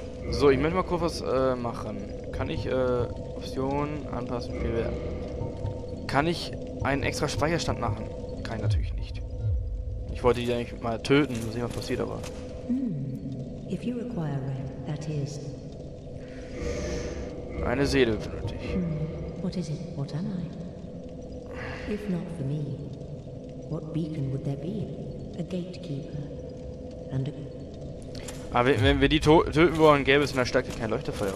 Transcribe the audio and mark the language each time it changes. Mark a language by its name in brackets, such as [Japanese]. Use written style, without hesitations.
[German] So, ich möchte mal kurz was machen. Kann ich Optionen anpassen? Kann ich einen extra Speicherstand machen? Kann natürlich nicht. Ich wollte die eigentlich mal töten, mal sehen, was passiert, aber. [English] If you require it, that is. [German] Eine Seele benötige ich. [English] What is it? What am I? If not for me, what beacon would there be? A gatekeeper and a. [German] Aber wenn wir die töten wollen, gäbe es in der Stadt kein Leuchterfeuer.